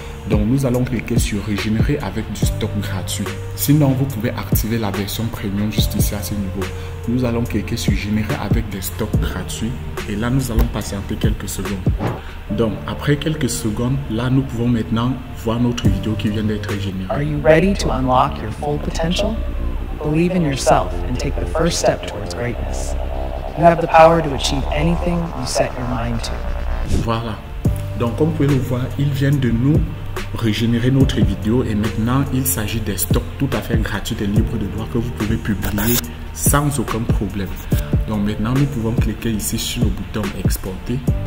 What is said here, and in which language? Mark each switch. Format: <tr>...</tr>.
<fr>Donc nous allons cliquer sur régénérer avec du stock gratuit. Sinon, vous pouvez activer la version premium juste ici à ce niveau. Nous allons cliquer sur générer avec des stocks gratuits. Et là, nous allons patienter quelques secondes. Donc, après quelques secondes, là, nous pouvons maintenant voir notre vidéo qui vient d'être générée.</fr> <en>Are you ready to unlock your full potential? Believe in yourself and take the first step towards greatness. You have the power to achieve anything you set your mind to.</en> <fr>Voilà. Donc, comme vous pouvez le voir, ils viennent de nous régénérer notre vidéo et maintenant, il s'agit des stocks tout à fait gratuits et libres de droit que vous pouvez publier sans aucun problème. Donc, maintenant, nous pouvons cliquer ici sur le bouton exporter.</fr>